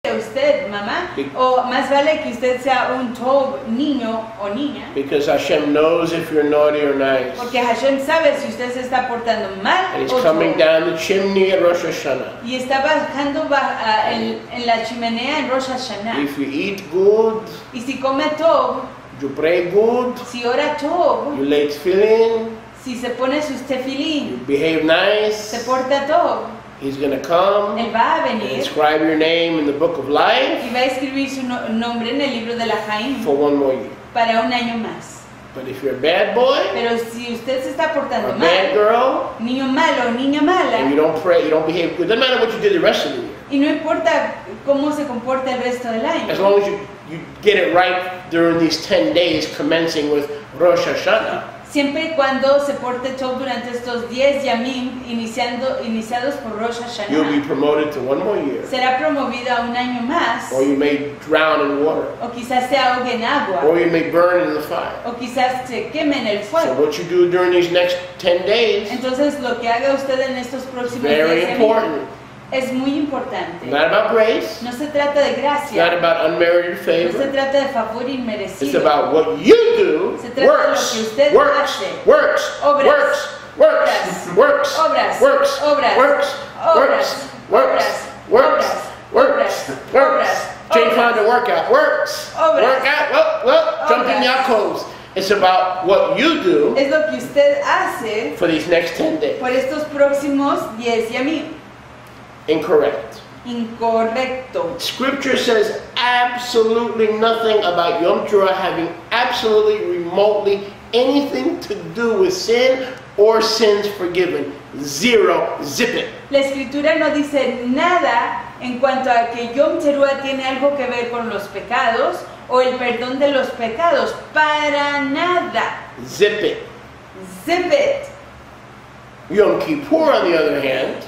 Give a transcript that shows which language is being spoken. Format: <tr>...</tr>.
<es>usted, mamá, o más vale que usted sea un tov niño o niña.</es> <en>Because Hashem knows if you're naughty or nice.</en> <es>Porque Hashem sabe si usted se está portando mal o no.</es> <en>He's coming down the chimney at Rosh Hashanah.</en> <es>Y está bajando en la chimenea en Rosh Hashanah.</es> <en>If you eat good.</en> <es>Y si come tov.</es> <en>You pray good.</en> <es>Si ora tov.</es> <en>You lay tefillin.</en> <es>Si se pone sus tefilín.</es> <en>You behave nice.</en> <es>Se porta tov.</es> <en>He's going to come and inscribe your name in the book of life</en> <es>y va a escribir su nombre en el libro de la Jaim</es> <en>for one more year.</en> <es>Para un año más.</es> <en>But if you're a bad boy,</en> <es>pero si usted se está portando</es> <en>or</en> <es>mal,</es> <en>bad girl,</en> <es>niño malo, niña mala,</es> <en>and you don't pray, you don't behave, it doesn't matter what you do the rest of the year.</en> <es>Y no importa cómo se comporta el resto del año.</es> <en>As long as you get it right during these 10 days commencing with Rosh Hashanah.</en> <es>Siempre y cuando se porte todo durante estos 10 yamim iniciados por Rosh Hashanah,</es> <en>you'll be promoted to one more year.</en> <es>Será promovido a un año más.</es> <en>Or you may drown in water.</en> <es>O quizás se ahogue en agua.</es> <en>Or you may burn in the fire.</en> <es>O quizás se queme en el fuego.</es> <en>So what you do during these next 10 days,</en> <es>entonces lo que haga usted en estos próximos</es> <en>10 yamim, important.</en> <es>Es muy importante.</es> <en>Not about grace.</en> <es>No se trata de gracia.</es> <en>Not about unmerited favor.</en> <es>No se trata de favor inmerecido.</es> <en>It's about what you do.</en> <es>Se trata</es> <en>works,</en> <es>de lo que usted</es> <en>works,</en> <es>hace.</es> <en>Works.</en> <es>Obras.</es> <en>Works. Works. Works.</en> <es>Obras.</es> <en>Works.</en> <es>Obras.</es> <en>Works.</en> <es>Obras.</es> <en>Works. Works. Works. Works. Jane found a workout. Works.</en> <es>Obras.</es> <en>Workout. Well. Jump in your clothes. It's about what you do.</en> <es>Es lo que usted hace.</es> <en>For these next 10 days.</en> <es>Por estos próximos 10 yamim.</es> <en>Incorrect.</en> <es>Incorrecto.</es> <en>Scripture says absolutely nothing about Yom Teruah having absolutely remotely anything to do with sin or sins forgiven. Zero. Zip it.</en> <es>La Escritura no dice nada en cuanto a que Yom Teruah tiene algo que ver con los pecados o el perdón de los pecados. Para nada.</es> <en>Zip it. Zip it. Yom Kippur, on the other hand,</en>